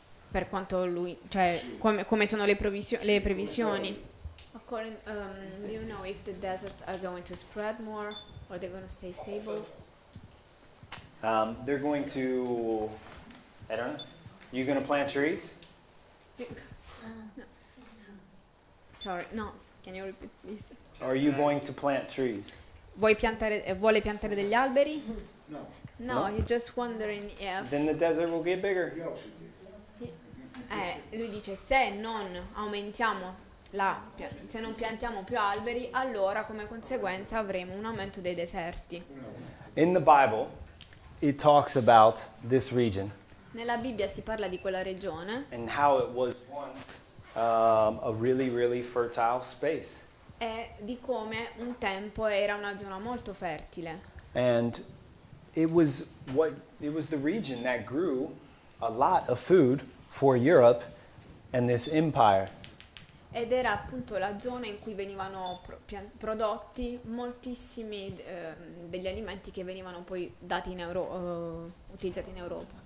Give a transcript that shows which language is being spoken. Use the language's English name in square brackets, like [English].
[Italian] Per quanto lui, cioè, come sono le previsioni? [English] According, do you know if the deserts are going to spread more or they're going to stay stable? They're going to, I don't know. You going to plant trees? No. Sorry, no. Can you repeat, please? Are you going to plant trees? [Italian] Vuoi piantare, vuole piantare degli alberi? [English] No. No, he's just wondering if. Then the desert will get bigger. [Italian] Lui dice se non aumentiamo la, se non piantiamo più alberi, allora come conseguenza avremo un aumento dei deserti. [English] In the Bible, it talks about this region. [Italian] Nella Bibbia si parla di quella regione. [English] And how it was once a really, really fertile space. [Italian] E di come un tempo era una zona molto fertile. [English] And it was the region that grew a lot of food for Europe and this empire. [Italian] Ed era appunto la zona in cui venivano prodotti moltissimi degli alimenti che venivano poi dati in utilizzati in Europa.